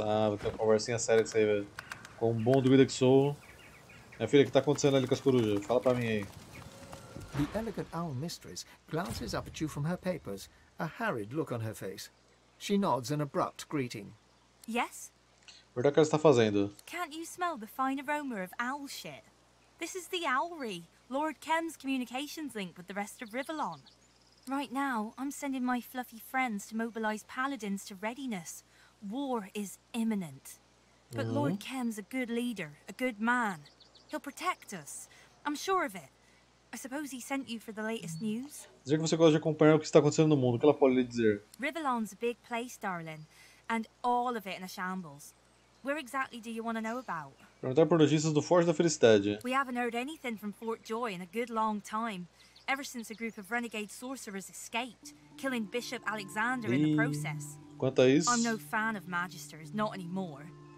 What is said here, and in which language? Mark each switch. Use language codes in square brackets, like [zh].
[pt] Ah, vou ter uma conversinha séria com isso aí, velho. Com um bom duvida que sou. Minha filha, o que tá acontecendo ali com as corujas? Fala pra mim aí. [en] The elegant owl mistress glances up at you from her papers, a harried look on her face. She nods an abrupt greeting. Yes? [pt] O que ela está fazendo? [en] Can't you smell the fine aroma of owl shit? This is the Owlry, Lord Kem's communications link with the rest of Rivalon. Right now, I'm sending my fluffy friends to mobilize paladins to readiness. War is imminent. But Lord Kem's a good leader, a good man. He'll protect us. I'm sure of it. I suppose he sent you for the latest news. [pt] Dizer que você gosta de acompanhar o que está acontecendo no mundo. O que ela pode lhe dizer? [en] Rivalon's a big place, darling. And all of it in a shambles. Where exactly do you want to know about? [pt] Perguntar por notícias do Forte da Felicidade. [en] We haven't heard anything from Fort Joy in a good long time. Ever since a group of renegade sorcerers escaped, killing Bishop Alexander in the process. [pt] Quanto a isso? [en] I'm no fan of magisters, not anymore.